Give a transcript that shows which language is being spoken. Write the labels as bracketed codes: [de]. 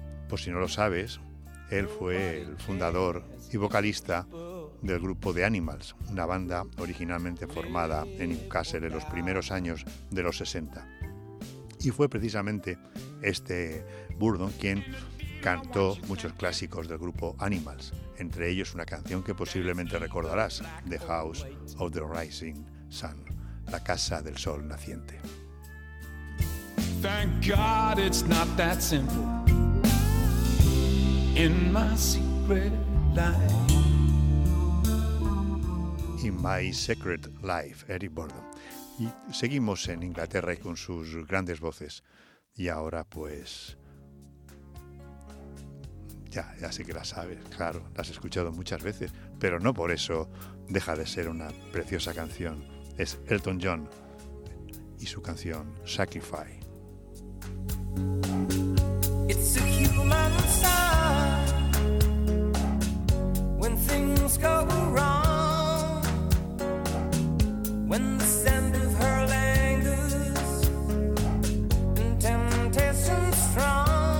[es] Por si no lo sabes, él fue el fundador y vocalista del grupo The Animals, una banda originalmente formada en Newcastle en los primeros años de los 60. Y fue precisamente este Burdon quien cantó muchos clásicos del grupo Animals, entre ellos una canción que posiblemente recordarás, The House of the Rising Sun, la casa del sol naciente. [en] Thank God it's not that simple. In my secret life. In my secret life, Eric Burdon. [es] Y seguimos en Inglaterra y con sus grandes voces. Y ahora pues ya sé que la sabes, claro, la has escuchado muchas veces, pero no por eso deja de ser una preciosa canción. Es Elton John y su canción Sacrifice. [en] It's a human sign when things go wrong, when the sand of her lingers and temptation strong.